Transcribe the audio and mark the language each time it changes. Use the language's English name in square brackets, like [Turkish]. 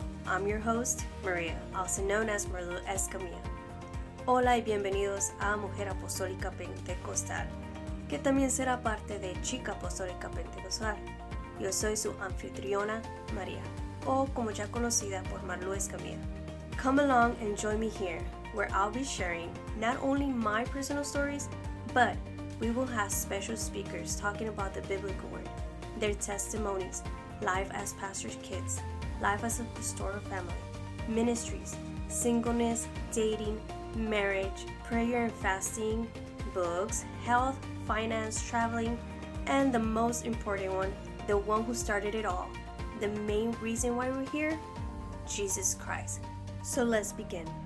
[English] I'm your host, Maria, also known as Merlu Escamilla. [Spanish] Hola y bienvenidos a Mujer Apostólica Pentecostal, que también será parte de Chica Apostólica Pentecostal. Yo soy su anfitriona, María, o como ya conocida por Merlu Escamilla. [English] Come along and join me here, where I'll be sharing not only my personal stories, but we will have special speakers talking about the biblical word, their testimonies, life as pastor's kids, life as a pastoral family, ministries, singleness, dating, marriage, prayer and fasting, books, health, finance, traveling, and the most important one, the one who started it all, the main reason why we're here, Jesus Christ. So let's begin.